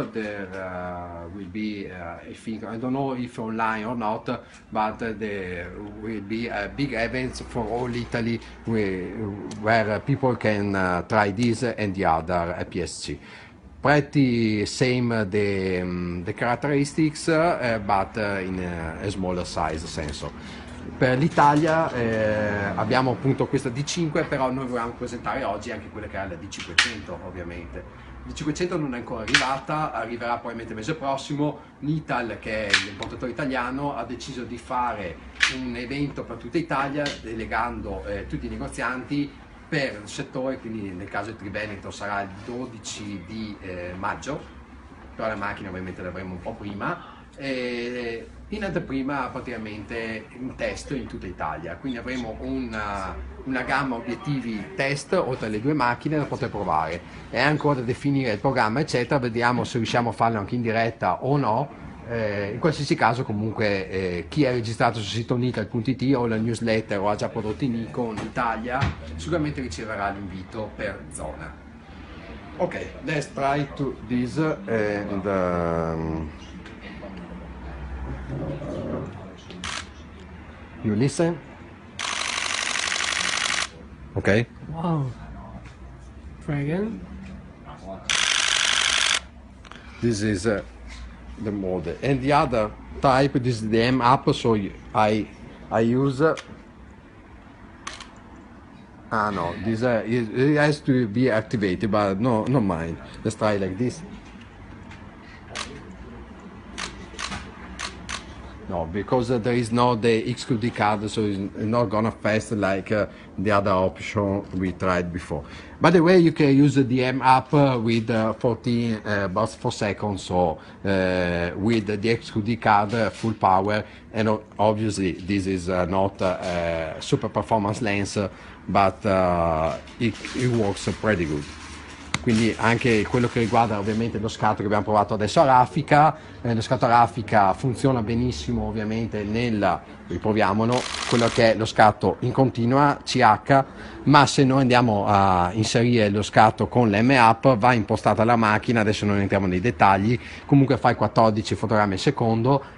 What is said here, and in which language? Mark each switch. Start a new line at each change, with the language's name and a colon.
English: There will be, I don't know if online or not, but there will be a big event for all Italy where people can try this and the other APS-C. Pretty same the characteristics, but in a smaller size sensor.
Italian: Per l'Italia abbiamo appunto questa D5, però noi vogliamo presentare oggi anche quella che è la D500, ovviamente. D500 non è ancora arrivata, arriverà probabilmente mese prossimo. Nital, che è l'importatore italiano, ha deciso di fare un evento per tutta Italia, delegando tutti i negozianti per il settore, quindi nel caso di Triveneto sarà il 12 di maggio, però la macchina ovviamente l'avremo un po' prima, e in anteprima praticamente un test in tutta Italia, quindi avremo una gamma obiettivi test oltre alle due macchine da poter provare. È ancora da definire il programma eccetera, vediamo se riusciamo a farlo anche in diretta o no. In qualsiasi caso, comunque, chi è registrato sul sito nital.it o la newsletter o ha già prodotti Nikon Italia sicuramente riceverà l'invito per zona.
English: Ok, let's try to this and you listen. Ok. Wow. Try again. This is the model, and the other type, this is the M app, so I use no, this it has to be activated, but no, not mine. Let's try like this. No, because there is no the XQD card, so it's not gonna fast like the other option we tried before. By the way, you can use the M app with 14 bars per second, so with the XQD card full power, and obviously this is not a super performance lens, but it works pretty good.
Italian: Quindi anche quello che riguarda ovviamente lo scatto che abbiamo provato adesso a raffica, lo scatto a raffica funziona benissimo ovviamente riproviamolo, quello che è lo scatto in continua CH, ma se noi andiamo a inserire lo scatto con l'M app va impostata la macchina, adesso non entriamo nei dettagli, comunque fai 14 fotogrammi al secondo